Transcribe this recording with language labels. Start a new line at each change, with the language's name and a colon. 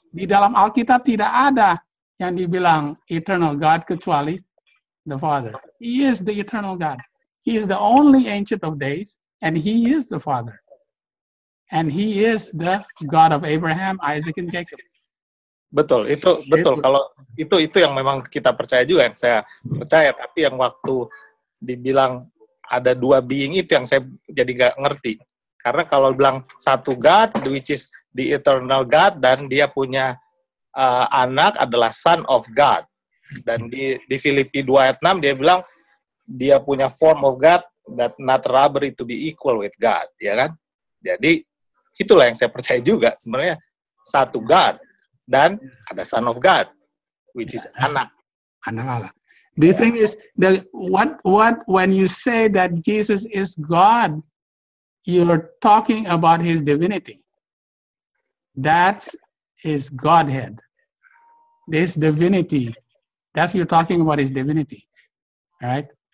Indonesian: Di dalam Alkitab tidak ada yang dibilang Eternal God kecuali the Father.
English: He is the Eternal God. He is the only Ancient of Days, and He is the Father. And He is the God of Abraham, Isaac, and Jacob.
Indonesian: Betul, itu betul. Kalau itu yang memang kita percaya juga, yang saya percaya. Tapi yang waktu dibilang ada dua being, itu yang saya jadi nggak ngerti. Karena kalau bilang satu God,
English: which is the eternal God,
Indonesian: dan dia punya anak adalah Son of God. Dan di Filipi 2 ayat 6, dia bilang dia punya
English: form of God, that not robbery to be equal with God.
Indonesian: Ya kan? Jadi, itulah yang saya percaya juga. Sebenarnya, satu God. Dan ada Son of God, which is anak. Anak Allah.
English: The thing is, that what when you say that Jesus is God, you're talking about His divinity. That is Godhead. This divinity, that's you're talking about His divinity, right?